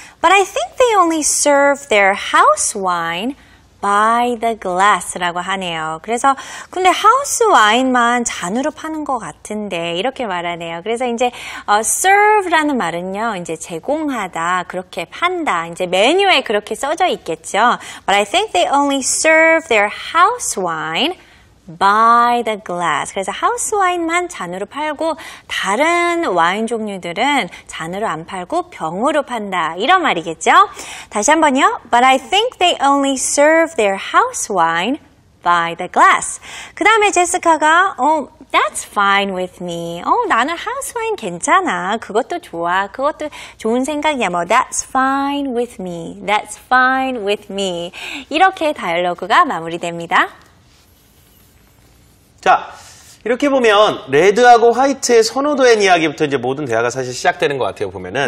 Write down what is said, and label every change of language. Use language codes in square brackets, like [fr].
[en] But I think they only serve their house wine by the glass [ko] 라고 하네요. 그래서 근데 하우스 와인만 잔으로 파는 것 같은데 이렇게 말하네요. 그래서 이제serve라는 말은요. 이제 제공하다, 그렇게 판다. 이제 메뉴에 그렇게 써져 있겠죠. [en] But I think they only serve their house wine by the glass. [ko] 그래서 하우스 와인만 잔으로 팔고 다른 와인 종류들은 잔으로 안 팔고 병으로 판다. 이런 말이겠죠? 다시 한번요. [en] But I think they only serve their house wine by the glass. [ko] 그 다음에 제시카가 [en] That's fine with me. [ko] 나는 하우스 와인 괜찮아. 그것도 좋아. 그것도 좋은 생각이야. 뭐 [en] That's fine with me. That's fine with me. [ko] 이렇게 다이얼로그가 마무리됩니다. 자, 이렇게 보면 레드하고 화이트의 선호도의 이야기부터 이제 모든 대화가 사실 시작되는 것 같아요, 보면은.